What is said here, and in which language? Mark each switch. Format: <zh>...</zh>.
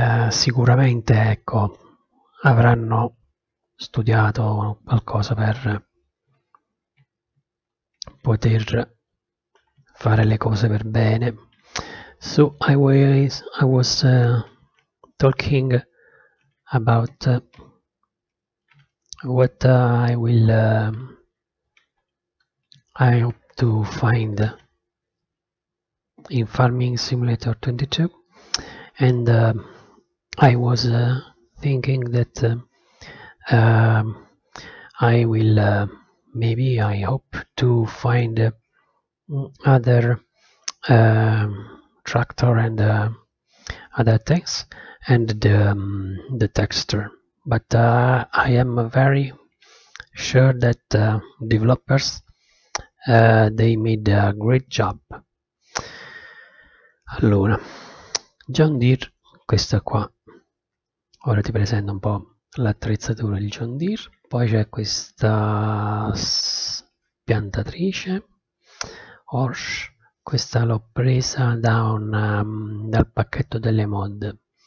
<it>sicuramente, ecco, avranno studiato qualcosa per poter fare le cose per bene.</it> <en>So I was talking about what I will I hope to find in Farming Simulator 22, and I was thinking that I will maybe I hope to find other tractor and other things and the texture. But I am very sure that developers they made a great job.</en> <it>Allora, John Deere, questa qua. Ora ti presento un po' l'attrezzatura di John Deere. Poi c'è questa piantatrice Horsch, questa l'ho presa dal pacchetto delle mod.</it>